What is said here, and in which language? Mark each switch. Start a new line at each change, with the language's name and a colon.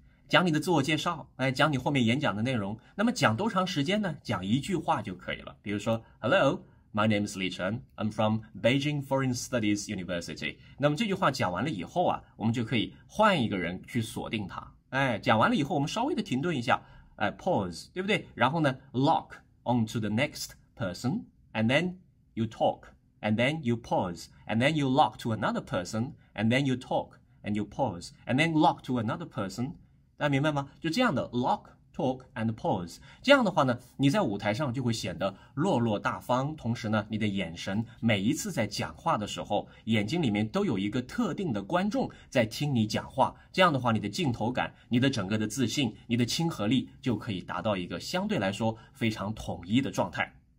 Chinese: 讲你的自我介绍，讲你后面演讲的内容。那么讲多长时间呢？讲一句话就可以了。比如说
English: Hello, my name is Li Chen. I'm from Beijing Foreign Studies University.
Chinese: 那么这句话讲完了以后啊，我们就可以换一个人去锁定他。讲完了以后我们稍微的停顿一下，pause, 对不对？然后呢
English: lock onto the next person, and then you talk, and then you pause, and then you lock to another person, and then you talk, and you pause, and then lock to another person,
Chinese: 大家明白吗？就这样的
English: lock talk and pose。
Chinese: 这样的话呢，你在舞台上就会显得落落大方，同时呢，你的眼神每一次在讲话的时候，眼睛里面都有一个特定的观众在听你讲话。这样的话，你的镜头感、你的整个的自信、你的亲和力就可以达到一个相对来说非常统一的状态。